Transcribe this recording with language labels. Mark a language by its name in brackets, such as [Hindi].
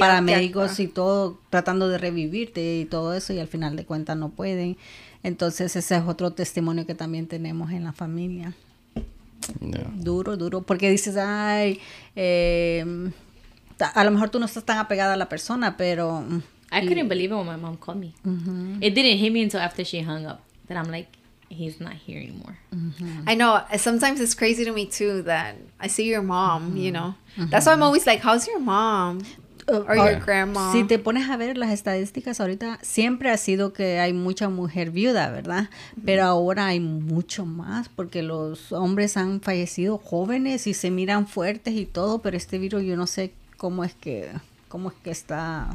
[Spanish] paramédicos y todo tratando de revivirte y todo eso y al final de cuentas no pueden. Entonces ese es otro testimonio que también tenemos en la familia. [English] Yeah. [Spanish] Duro, porque dices, ay, a lo mejor tú no estás tan apegada a la persona, pero... [English] I couldn't believe it when my mom called me. Uh-huh. It didn't hit me until after she hung up, that I'm like... he's not here anymore. Mm-hmm. I know. Sometimes it's crazy to me, too, that I see your mom, mm-hmm. you know. Mm-hmm. That's why I'm always like, how's your mom? Or your grandma? [Spanish] Si te pones a ver las estadísticas ahorita, siempre ha sido que hay mucha mujer viuda, ¿verdad? Mm-hmm. Pero ahora hay mucho más porque los hombres han fallecido jóvenes y se miran fuertes y todo, pero este virus yo no sé cómo es que está...